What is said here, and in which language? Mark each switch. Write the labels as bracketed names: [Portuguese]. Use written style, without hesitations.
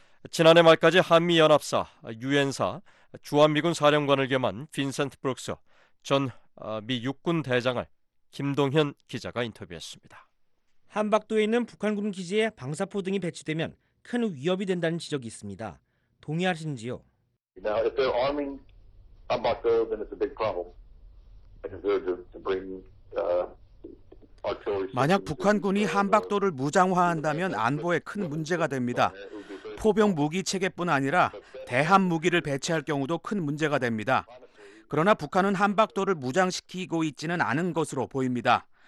[Korean] 지난해 말까지 한미연합사, 유엔사, 주한미군 사령관을 겸한 빈센트 브룩스 전 미 육군 대장을 김동현 기자가 인터뷰했습니다. 한박도에 있는 북한군 기지에 방사포 등이 배치되면 큰 위협이 된다는 지적이 있습니다. 동의하신지요? [English] Now if they're arming Hanbakdo, then it's a big problem. [Korean] 만약 북한군이 한박도를 무장화한다면 안보에 큰 문제가 됩니다. 포병 무기 체계뿐 아니라 대함 무기를 배치할 경우도 큰 문제가 됩니다. 그러나 북한은 한박도를 무장시키고 있지는 않은 것으로 보입니다.